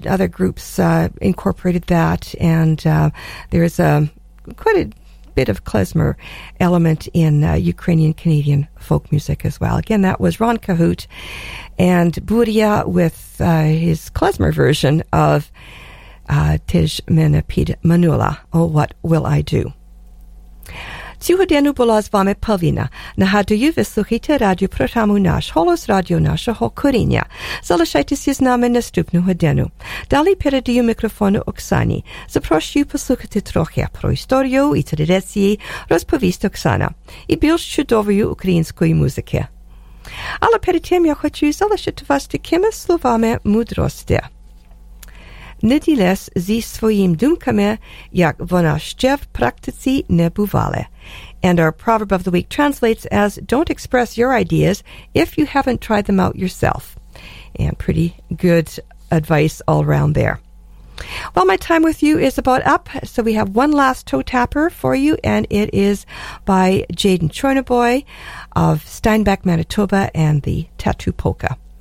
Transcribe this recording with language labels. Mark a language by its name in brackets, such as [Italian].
[English] Other groups incorporated that, and there is quite a bit of klezmer element in Ukrainian-Canadian folk music as well. Again, that was Ron Cahoot and Buria with his klezmer version of Tej Mene Pid Manula, Oh, What Will I Do? [Ukrainian] Сьогоденю була з вами Павіна. Нагадую, ви слухаєте радіопрограму «Наш голос», радіо нашого коріння. Залишайтеся з нами наступну годину. Далі передаю мікрофон Оксані. Запрошую послухати трохи про історію і традиції, розповість Оксана, і більш чудової української музики. Але перед тим я хочу залишити вас такими словами мудрості. Не ділесь зі своїми думками, як вона ще в практиці не бувала. [English] And our proverb of the week translates as, don't express your ideas if you haven't tried them out yourself. And pretty good advice all around there. Well, my time with you is about up, so we have one last toe tapper for you, and it is by Jaden Choinaboy of Steinbeck, Manitoba, and the Tattoo Polka.